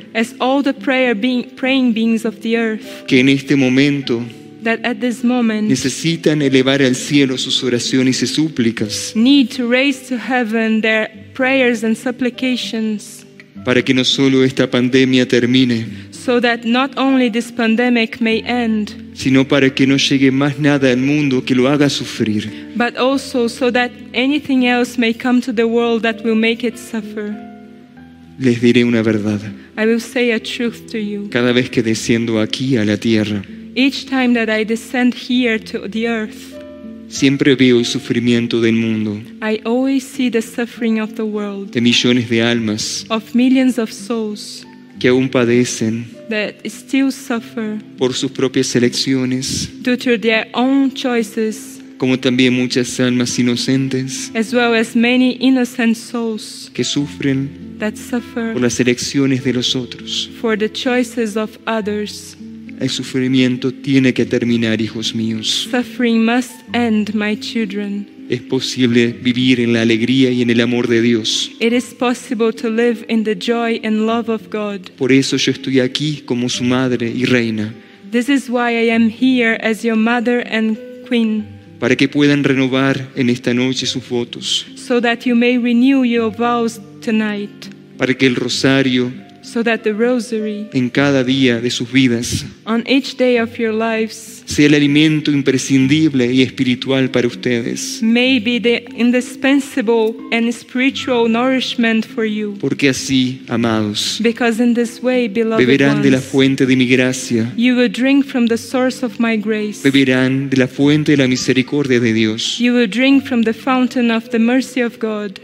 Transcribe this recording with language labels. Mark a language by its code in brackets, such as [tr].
[en] as all the praying beings of the earth, [es] que en este momento, [en] that at this moment, [es] necesitan elevar al cielo sus oraciones y súplicas, [en] need to raise to heaven their prayers and supplications, [es] para que no solo esta pandemia termine, [en] so that not only this pandemic may end, [es] sino para que no llegue más nada al mundo que lo haga sufrir, [en] but also so that anything else may come to the world that will make it suffer. [es] Les diré una verdad. [en] I will say a truth to you. [es] Cada vez que desciendo aquí a la tierra, [en] Each time that I descend here to the earth, [es] siempre veo el sufrimiento del mundo. [en] I always see the suffering of the world. [es] De millones de almas. [en] Of millions of souls. [es] Que aún padecen. [en] That still suffer. [es] Por sus propias elecciones. [en] Due to their own choices. [es] Como también muchas almas inocentes. [en] As well as many innocent souls. [es] Que sufren. [en] That suffer. [es] Por las elecciones de los otros. [en] For the choices of others. [es] El sufrimiento tiene que terminar, hijos míos. [en] Suffering must end, my children. [es] Es posible vivir en la alegría y en el amor de Dios. [en] It is possible to live in the joy and love of God. [es] Por eso yo estoy aquí como su madre y reina. [en] This is why I am here as your mother and queen. [es] Para que puedan renovar en esta noche sus votos. [en] So that you may renew your vows tonight. [es] Para que el rosario, [en] so that the rosary, [es] en cada día de sus vidas, [en] on each day of your lives, [es] sea el alimento imprescindible y espiritual para ustedes, [en] may be the indispensable and spiritual nourishment for you. [es] Porque así, amados, [en] because in this way, beloved, [es] beberán [en] ones, [es] de la fuente de mi gracia, [en] you will drink from the source of my grace, [es] beberán de la fuente de la misericordia de Dios, [en] you will drink from the fountain of the mercy of God,